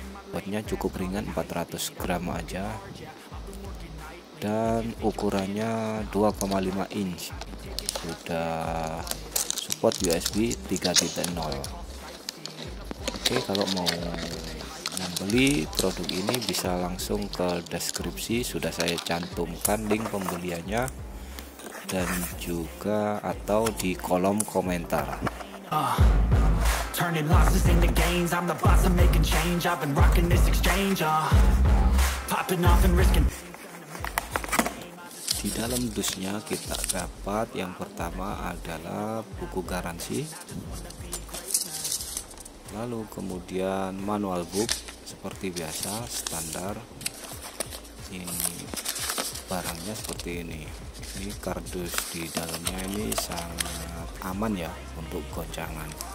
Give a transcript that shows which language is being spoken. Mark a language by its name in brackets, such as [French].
[Indonesian] Bobotnya cukup ringan, 400 gram aja, dan ukurannya 2,5 inch, sudah support USB 3.0. Oke, kalau mau membeli produk ini bisa langsung ke deskripsi, sudah saya cantumkan link pembeliannya dan juga atau di kolom komentar. [English] Turning losses into gains, I'm the boss, I'm making change, I've been rocking this exchange, popping off and risking. [Indonesian] Di dalam dusnya kita dapat yang pertama adalah buku garansi, lalu kemudian manual book seperti biasa standar. Ini barangnya seperti ini. Ini kardus di dalamnya ini sangat aman ya untuk goncangan.